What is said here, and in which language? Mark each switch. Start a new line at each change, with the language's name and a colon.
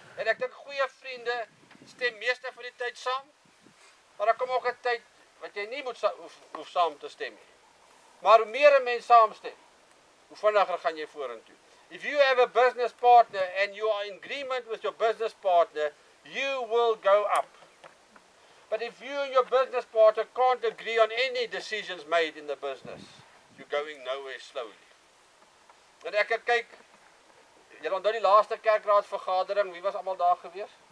Afrikaans: En ek dink goeie vriende stem meeste van die tyd saam, maar daar kom ook 'n tyd wat jy nie moet hoef saam te stem nie. Maar hoe meer 'n mens saamstem, hoe vinniger gaan jy vorentoe.
English: If you have a business partner and you are in agreement with your business partner, you will go up. But if you and your business partner can't agree on any decisions made in the business, you're going nowhere slowly.
Afrikaans: En ek het kyk, jy onthou die laaste kerkraadsvergadering, wie was allemaal daar gewees?